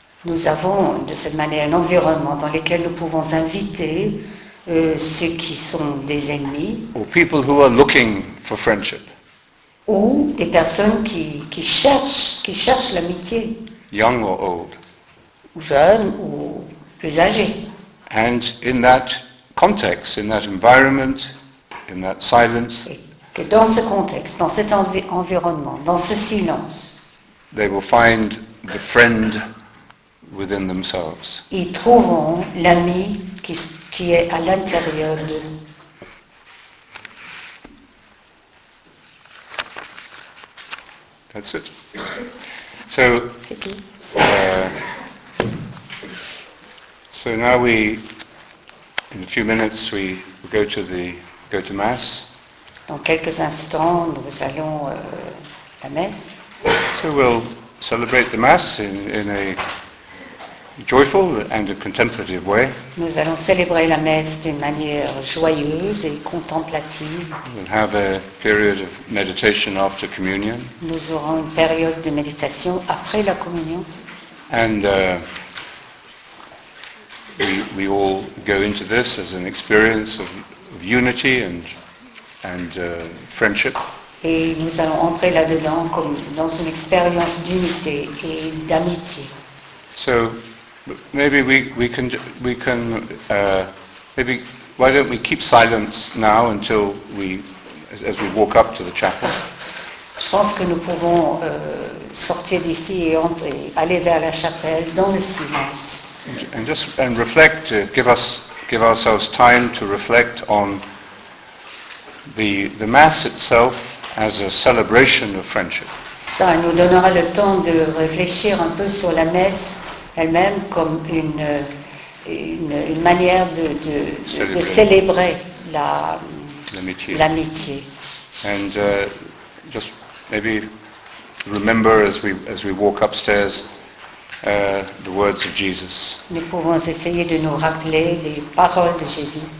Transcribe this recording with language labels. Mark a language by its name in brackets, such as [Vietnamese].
[French] Nous avons de cette manière un environnement dans lequel nous pouvons inviter ceux qui sont des ennemis. [English] Or people who are looking for friendship. [French] Ou des personnes qui cherchent l'amitié. [English] Young or old. [French] jeune ou plus âgé. [English] And in that context, in that environment, in that silence, [French] que dans ce contexte, dans cet environnement, dans ce silence, [English] they will find the friend within themselves. [French] Ils trouveront l'ami qui est à l'intérieur d'eux. [English] That's it. So, so now we, in a few minutes, we go to the go to mass. [French] Dans quelques instants, nous allons la messe. [English] So we'll celebrate the mass in a joyful and a contemplative way. [French] Nous allons célébrer la messe d'une manière joyeuse et contemplative. [English] We'll have a period of meditation after communion. [French] Nous aurons une période de méditation après la communion. [English] And we all go into this as an experience of unity and friendship. [French] Et nous allons entrer là-dedans comme dans une expérience d'unité et d'amitié. [English] So maybe we can why don't we keep silence now until we as we walk up to the chapel? [French] Je pense que nous pouvons sortir d'ici et entrer, aller vers la chapelle dans le silence. [English] And reflect, give ourselves time to reflect on the mass itself as a celebration of friendship. [French] Ça nous donnera le temps de réfléchir un peu sur la messe elle-même comme une manière de célébrer l'amitié. [English] And just maybe remember as we walk upstairs the words of Jesus. [French] Nous pouvons essayer de nous rappeler les paroles de Jésus.